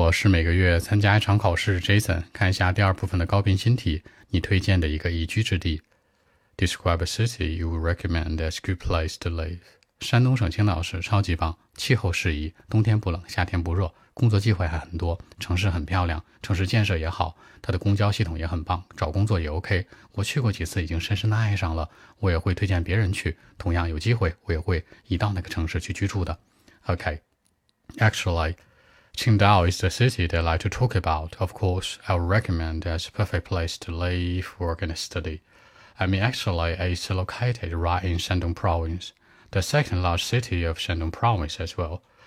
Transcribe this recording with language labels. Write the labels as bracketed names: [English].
[Chinese] 是每个月参加一场考试 Jason, 看一下第二部分的高频新题你推荐的一个宜居之地。 [English] Describe a city you would recommend as a good place to live. [Chinese] 山东省青岛市超级棒，气候适宜，冬天不冷，夏天不热，工作机会还很多，城市很漂亮，城市建设也好，它的公交系统也很棒，找工作也 OK, 我去过几次已经深深的爱上了，我也会推荐别人去，同样有机会我也会移到那个城市去居住的。 [English] OK, actually,Qingdao is the city they like to talk about. Of course, I would recommend it as a perfect place to live, work, and study. I mean, actually, it's located right in Shandong province, the second large city of Shandong province as well.